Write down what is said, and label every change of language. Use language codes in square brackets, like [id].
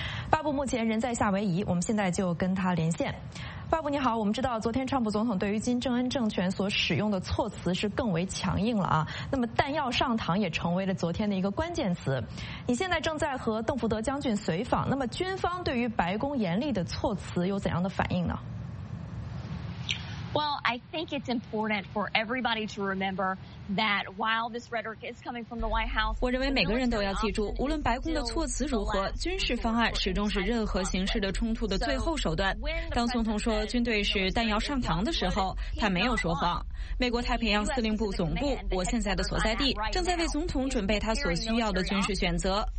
[zh] 巴布目前人在夏威夷，我们现在就跟他连线。巴布你好，我们知道昨天川普总统对于金正恩政权所使用的措辞是更为强硬了啊。那么弹药上膛也成为了昨天的一个关键词。你现在正在和邓福德将军随访，那么军方对于白宫严厉的措辞有怎样的反应呢？ [en] Well, I think it's important for everybody to remember that while this rhetoric is coming from the White House, [zh] 我认为每个人都要记住，无论白宫的措辞如何，军事方案始终是任何形式的冲突的最后手段。当总统说军队是弹药上膛的时候，他没有说谎。美国太平洋司令部总部，我现在的所在地，正在为总统准备他所需要的军事选择。